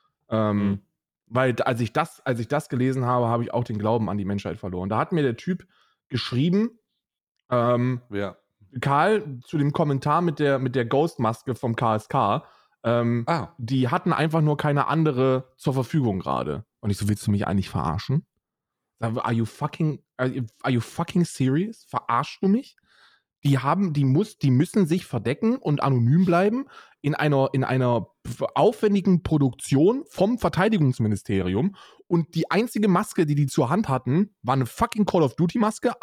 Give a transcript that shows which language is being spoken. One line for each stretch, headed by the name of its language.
German: Weil als ich das gelesen habe, habe ich auch den Glauben an die Menschheit verloren. Da hat mir der Typ geschrieben, Karl, zu dem Kommentar mit der Ghost-Maske vom KSK, die hatten einfach nur keine andere zur Verfügung gerade. Und ich so, willst du mich eigentlich verarschen?
English: Are you fucking serious?
German: Verarschst du mich? Die müssen sich verdecken und anonym bleiben in einer aufwendigen Produktion vom Verteidigungsministerium. Und die einzige Maske, die die zur Hand hatten, war eine fucking Call of Duty Maske.